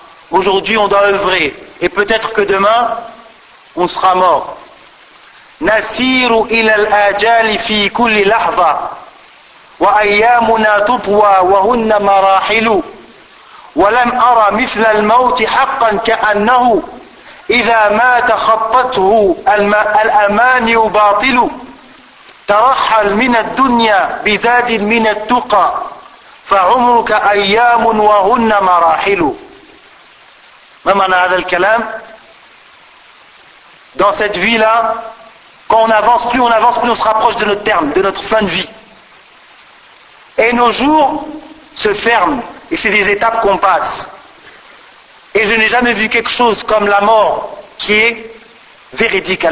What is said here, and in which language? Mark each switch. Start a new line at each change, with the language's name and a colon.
French: Aujourd'hui on doit œuvrer et peut-être que demain on sera mort.
Arabic: نسير إلى الآجال في كل لحظة وأيامنا تطوى وهن مراحل ولم أرى مثل الموت حقا كأنه إذا ما تخطته الأمان باطل ترحل من الدنيا بزاد من التقى فعمرك أيام وهن مراحل. ما معنى هذا الكلام؟
French: dans cette vie là quand on avance plus on se rapproche de notre terme de notre fin de vie et nos jours se ferment et c'est des étapes qu'on passe et je n'ai jamais vu quelque chose comme la mort qui est véridique.